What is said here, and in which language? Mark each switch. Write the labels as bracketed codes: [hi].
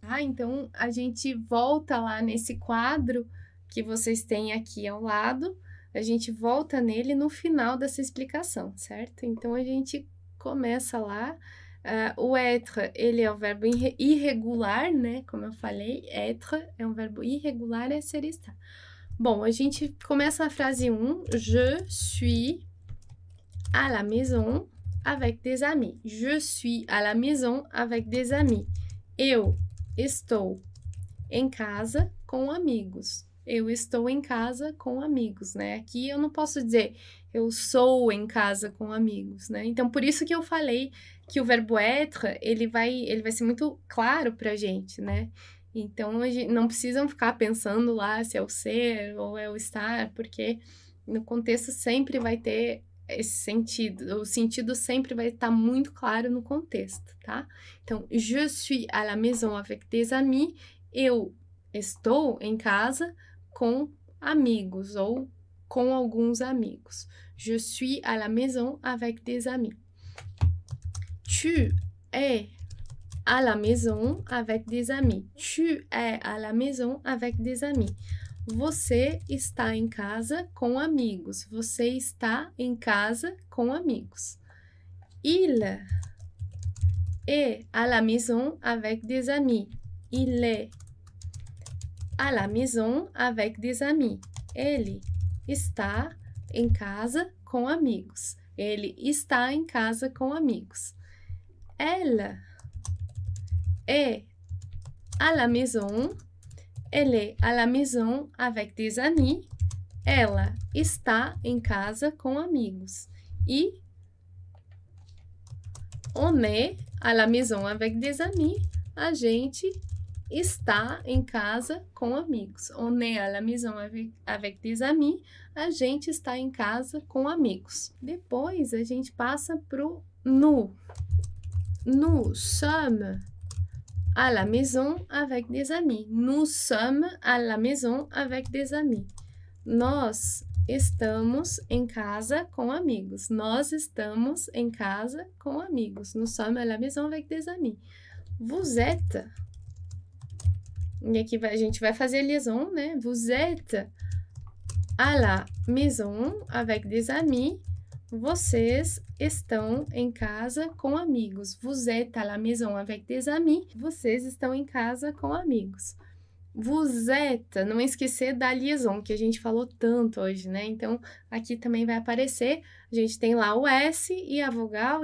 [pt] Ah, então, a gente volta lá nesse quadro que vocês têm aqui ao lado, a gente volta nele no final dessa explicação, certo? Então, a gente começa lá. O être, ele é o verbo irregular, né? Como eu falei, être é um verbo irregular, é ser e estar. Bom, a gente começa a frase 1. [fr] Je suis à la maison avec des amis. Je suis à la maison avec des amis. [pt] Eu estou em casa com amigos. Eu estou em casa com amigos, né? Aqui eu não posso dizer eu sou em casa com amigos, né? Então, por isso que eu falei que o verbo être, ele vai ser muito claro para a gente, né? Então, a gente não precisam ficar pensando lá se é o ser ou é o estar, porque no contexto sempre vai ter esse sentido. O sentido sempre vai estar muito claro no contexto, tá? Então, [fr] je suis à la maison avec des amis. [pt] Eu estou em casa com amigos ou com alguns amigos. [fr] Je suis à la maison avec des amis. Tu es à la maison avec des amis. Tu es à la maison avec des amis. [pt] Você está em casa com amigos. Você está em casa com amigos. [fr] Il est à la maison avec des amis. Il est à la maison avec des amis. [pt] Ele está em casa com amigos. Ele está em casa com amigos. Ela [fr] est à la maison. Elle est à la maison avec des amis. [pt] Ela está em casa com amigos. E [fr] on est à la maison avec des amis. [pt] A gente está em casa com amigos. [fr] On est à la maison avec des amis. [pt] A gente está em casa com amigos. Depois a gente passa pro nous. [fr] Nous sommes à la maison avec des amis. Nous sommes à la maison avec des amis. [pt] Nós estamos em casa com amigos. Nós estamos em casa com amigos. [fr] Nous sommes à la maison avec des amis. Vous êtes. [pt] E aqui a gente vai fazer a liaison, né? [fr] Vous êtes à la maison avec des amis. [pt] Vocês estão em casa com amigos. [fr] Vous êtes à la maison avec des amis. [pt] Vocês estão em casa com amigos. [fr] Vous êtes, [pt] não esquecer da liaison que a gente falou tanto hoje, né? Então aqui também vai aparecer. A gente tem lá o S e a vogal.